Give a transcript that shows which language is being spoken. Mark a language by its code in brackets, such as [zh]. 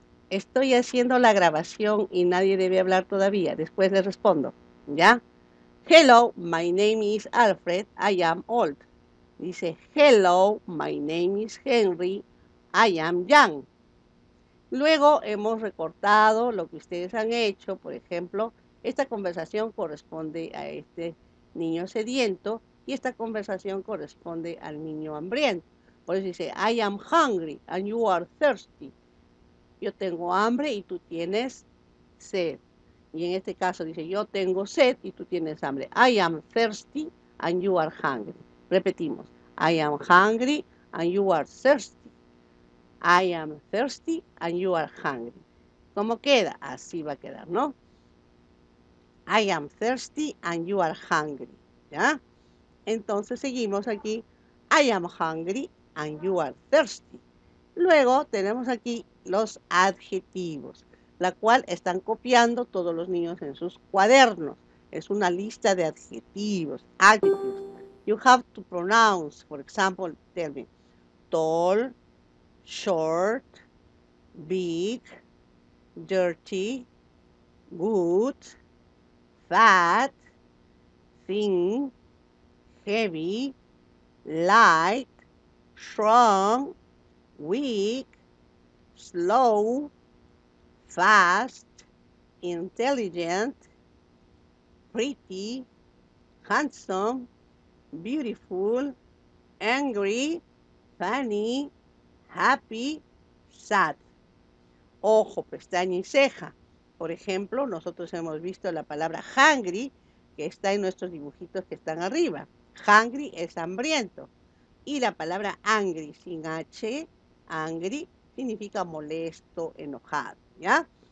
[es] estoy haciendo la grabación y nadie debe hablar todavía. Después les respondo, ¿ya? [en] Hello, my name is Alfred. I am old. [es] Dice, [en] hello, my name is Henry. I am young. [es] Luego hemos recortado lo que ustedes han hecho. Por ejemplo, esta conversación corresponde a este niño sediento y esta conversación corresponde al niño hambriento. Por eso dice, [en] I am hungry and you are thirsty. [es] Yo tengo hambre y tú tienes sed. Y en este caso dice, yo tengo sed y tú tienes hambre. [en] I am thirsty and you are hungry. [es] Repetimos, [en] I am hungry and you are thirsty. I am thirsty and you are hungry. [es] ¿Cómo queda? Así va a quedar, ¿no? [en] I am thirsty and you are hungry. [es] ¿Ya? Entonces seguimos aquí. [en] I am hungry and you are thirsty. [es] Luego tenemos aquí los adjetivos, la cual están copiando todos los niños en sus cuadernos. Es una lista de adjetivos, adjetivos. [en] You have to pronounce, for example, tell me, tall, short, big, dirty, good, fat, thin, heavy, light, strong, weak, slow, fast, intelligent, pretty, handsome, beautiful, angry, funny, happy, sad. [es] Ojo, pestaña y ceja. Por ejemplo, nosotros hemos visto la palabra hungry, que está en nuestros dibujitos que están arriba. Hungry es hambriento. Y la palabra angry, sin H, angry, significa molesto, enojado. ¿Ya?